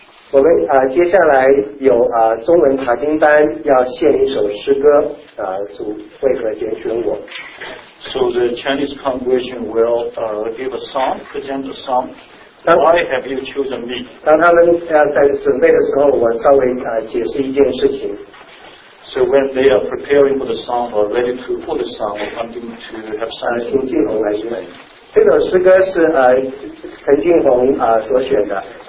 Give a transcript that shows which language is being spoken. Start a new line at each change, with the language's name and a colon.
Chinese: 我们接下来有中文查经班要献一首诗歌，主为何拣选我。
English: So the Chinese congregation will give a song, present a song. Why have you chosen me?
Chinese: 当他们在准备的时候，我稍微解释一件事情。
English: So when they are preparing for the song or ready to for the song, I'm going to have some.
Chinese: 陈静红来选。这首诗歌是陈静红所选的。